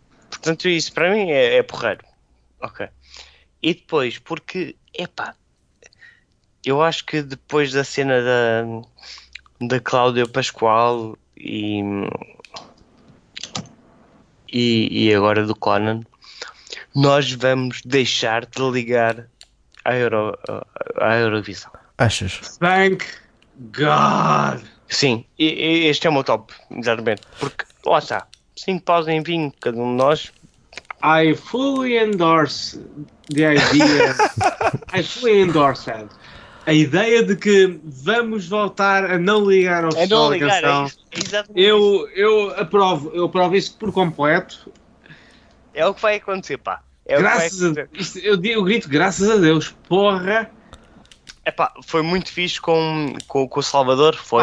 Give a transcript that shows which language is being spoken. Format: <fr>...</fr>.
<pt>Portanto, isso para mim é porreiro. Ok. E depois, porque, epá, eu acho que depois da cena da Cláudia Pascoal e agora do Conan, nós vamos deixar de ligar à Eurovisão. Achas?</pt> <en>Thank God!</en> <pt>Sim, e este é o meu top, exatamente. Porque, lá está, 5 paus em vinho, cada um de nós.</pt> <en>I fully endorse the idea. I fully endorse it.</en> <pt>A ideia de que vamos voltar a não ligar ao pessoal. É não ligar, canção. Eu aprovo isso por completo. É o que vai acontecer, pá. Eu grito graças a Deus, porra. É pá, foi muito fixe com o Salvador, foi.</pt>